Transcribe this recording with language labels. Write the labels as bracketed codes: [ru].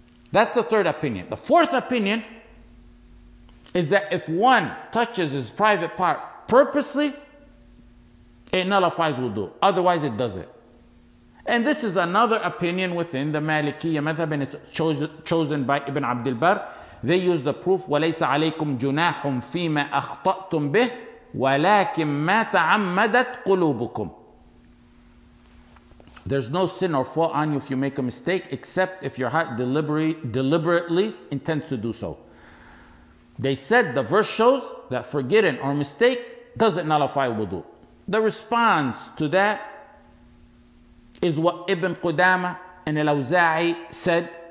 [en] That's the third opinion. The fourth opinion is that if one touches his private part purposely, it nullifies wudu. Otherwise, it doesn't. And this is another opinion within the Malikiya Madhab, and it's chosen by Ibn Abdul Barr. They use the proof, [ar] وَلَيْسَ عَلَيْكُمْ جُنَاحٌ فِي مَا أَخْطَأْتُمْ بِهِ وَلَكِمْ مَا تَعَمَّدَتْ قُلُوبُكُمْ. [en] There's no sin or fault on you if you make a mistake, except if your heart deliberately intends to do so. They said the verse shows that forgetting or mistake doesn't nullify wudu. The response to that is what Ibn Qudama and Al-Awza'i said.